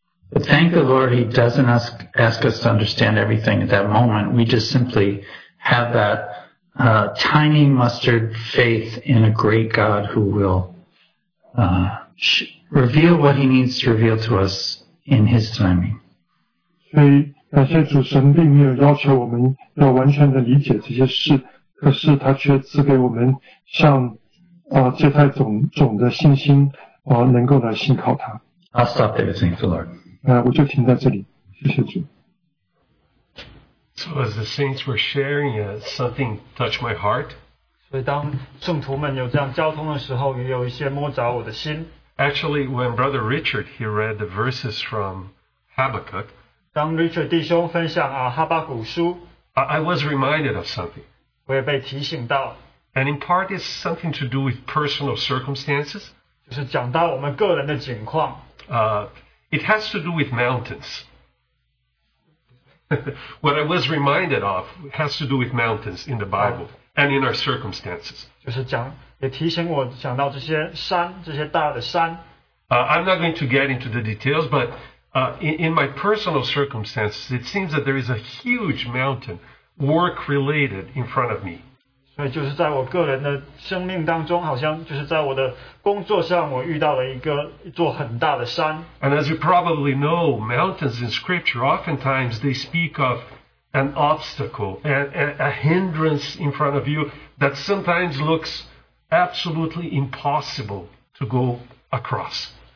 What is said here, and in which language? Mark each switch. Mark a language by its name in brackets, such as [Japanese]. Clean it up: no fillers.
[English] But thank the Lord, He doesn't ask us to understand everything at that moment. We just simply have that. Tiny mustard faith in a great God who will reveal what He needs to reveal to us in His timing. [Chinese] 所以感谢主，神并没有要求我们要完全的理解这些事，可是他却赐给我们像这太种的信心，能够来信靠他。 [English] I'll stop there, thank the Lord. [Chinese] 我就停在这里，谢谢主。 [English] So as the saints were sharing, something touched my heart. [Chinese] 所以当圣徒们有这样交通的时候，也有一些摸着我的心。 [English] Actually, when Brother Richard he read the verses from Habakkuk, [Chinese] 当 Richard 弟兄分享哈巴谷书 [English] ，I was reminded of something. [Chinese] 我也被提醒到。 [English] And in part, it's something to do with personal circumstances. [Chinese] 就是讲到我们个人的境况。 [English] It has to do with mountains. What I was reminded of has to do with mountains in the Bible and in our circumstances. [Chinese] 也提醒我想到这些山,这些大的山。 [English] I'm not going to get into the details, but in my personal circumstances, it seems that there is a huge mountain, work-related, in front of me. [Chinese] 所以就是在我个人的生命当中,好像就是在我的工作上,我遇到了一座很大的山。 [English] And as you probably know, mountains in Scripture, oftentimes they speak of an obstacle, a hindrance in front of you that sometimes looks absolutely impossible to go across.